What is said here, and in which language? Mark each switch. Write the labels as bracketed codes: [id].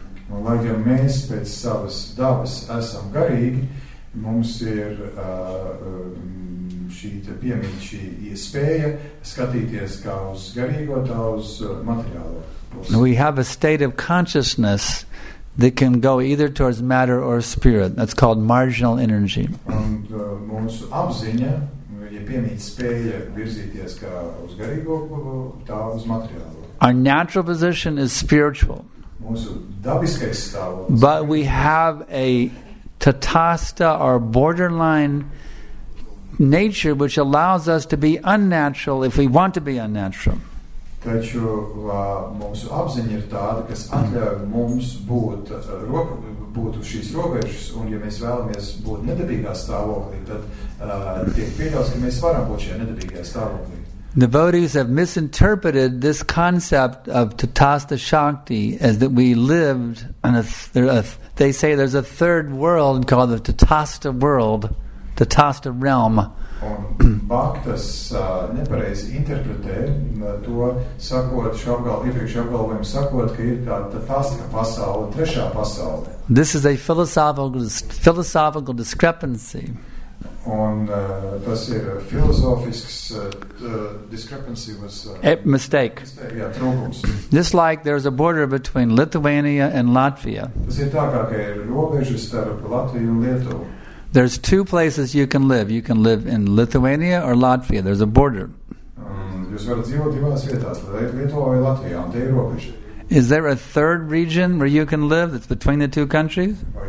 [lv] Lai gan mēs pēc savas dabas esam garīgi, mums ir šī piemiņa, šī iespēja skatīties kā uz garīgo, tā uz materiālo. [en] We have a state of consciousness that can go either towards matter or spirit. That's called marginal energy. [lv] Mūsu apziņa, ja piemīt spēja virzīties kā uz garīgo, tā uz materiālo. [en] Our natural position is spiritual. [lv] Mūsu dabiskais stāvoklis. [en] But we have a tatasta or borderline nature which allows us to be unnatural if we want to be unnatural. [lv] Taču mūsu apziņa ir tāda, kas atļauj mums būt būt uz šīs robežas, un ja mēs vēlamies būt nedabīgā stāvoklī, tad tiek pieļauts, ka mēs varam būt šajā nedabīgajā stāvoklī. [en] Devotees have misinterpreted this concept of tatasta shakti as that we lived on they say there's a third world called the tatasta world, the tatasta realm. [lv] Un Bhaktas nepareizi interpretē to, sakot, sakot, ka ir tā tatasta pasaule, trešā pasaule. [en] This is a philosophical discrepancy. [lv] Un tas ir filozofisks [en] discrepancy was mistake. [lv] Jā, trūkums. [en] Just like there's a border between Lithuania and Latvia. [lv] Tas ir tā kā, ka ir robeža starp Latviju un Lietuvu. [en] There's two places you can live. You can live in Lithuania or Latvia. There's a border. [lv] Jūs varat dzīvot divās vietās, Lietuvā vai Latvijā, un te ir robeža. [en] Is there a third region where you can live that's between the two countries?